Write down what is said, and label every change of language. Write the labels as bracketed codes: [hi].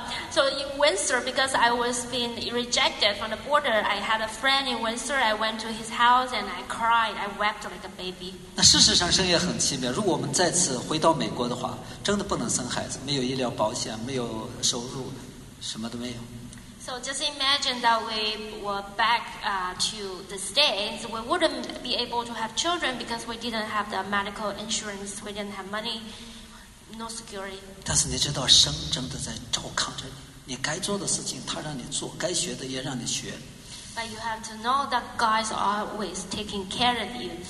[en] So in Windsor, because I was being rejected from the border, I had a friend in Windsor. I went to his house and I cried. I wept like a baby. [zh] 那事实上，生也很奇妙。如果我们再次回到美国的话，真的不能生孩子，没有医疗保险，没有收入，什么都没有。 [en] So just imagine that we were back to the States. We wouldn't be able to have children because we didn't have the medical insurance. We didn't have money, no security. [zh] 但是你知道，神真的在照看着你。你该做的事情，他让你做；该学的也让你学。 [en] But you have to know that God's always taking care of you.